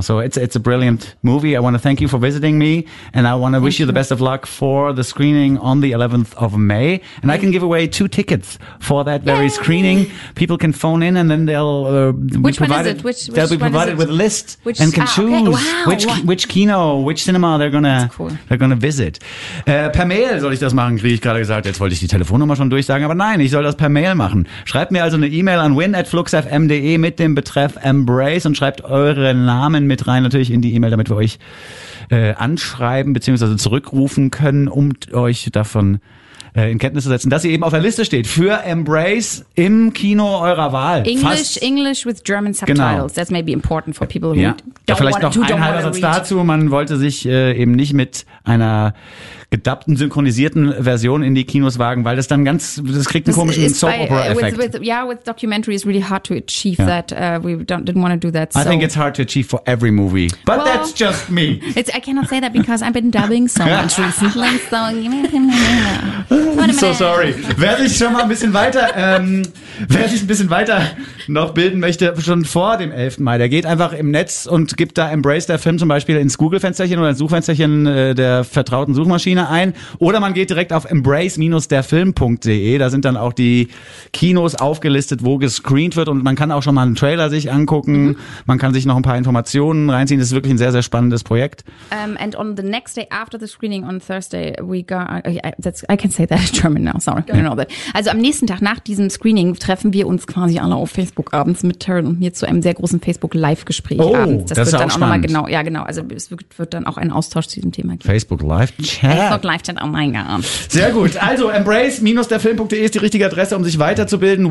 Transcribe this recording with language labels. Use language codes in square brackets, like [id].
[en] So it's a brilliant movie. I want to thank you for visiting me, and I want to wish you the best of luck for the screening on the 11th of May. And I can give away two tickets for that very screening. People can phone in, and then they'll be provided with a list and can choose which Kino, which cinema they're gonna visit. [de] Per Mail soll ich das machen, wie ich gerade gesagt. Jetzt wollte ich die Telefonnummer schon durchsagen, aber nein, ich soll das per Mail machen. Schreibt mir also eine E-Mail an win@fluxfm.de mit dem Betreff Embrace und schreibt euren Namen mit rein natürlich in die E-Mail, damit wir euch anschreiben bzw. zurückrufen können, um euch davon in Kenntnis zu setzen, dass ihr eben auf der Liste steht für Embrace im Kino eurer Wahl. [en] English with German subtitles. [de] Genau. [en] That's maybe important for people who don't [de] vielleicht [en] want [de] noch [en] to, [de] ein halber Satz dazu. Man wollte sich eben nicht mit einer gedubbten, synchronisierten Version in die Kinos wagen, weil das dann ganz, das kriegt einen komischen Soap-Opera-Effekt. [en] With documentary, it's really hard to achieve that. We didn't want to do that. I think it's hard to achieve for every movie. But that's just me. I cannot say that because I've been dubbing so much recently. So, so sorry. [de] Wer sich schon mal ein bisschen weiter, wer sich ein bisschen weiter noch bilden möchte, schon vor dem 11. Mai, der geht einfach im Netz und gibt da Embrace der Film zum Beispiel ins Google-Fensterchen oder ins Suchfensterchen der vertrauten Suchmaschine ein, oder man geht direkt auf embrace-derfilm.de. Da sind dann auch die Kinos aufgelistet, wo gescreent wird, und man kann auch schon mal einen Trailer sich angucken. Man kann sich noch ein paar Informationen reinziehen. Das ist wirklich ein sehr, sehr spannendes Projekt. [en] And on the next day after the screening on Thursday, I can say that in German now, sorry. I don't know that. [de] Also am nächsten Tag nach diesem Screening treffen wir uns quasi alle auf Facebook abends mit Taryn und mir zu einem sehr großen Facebook-Live-Gespräch abends. Das wird dann auch nochmal genau. Also es wird dann auch ein Austausch zu diesem Thema geben. Facebook-Live-Chat, oh mein Gott. Sehr gut. Also embrace-derfilm.de ist die richtige Adresse, um sich weiterzubilden.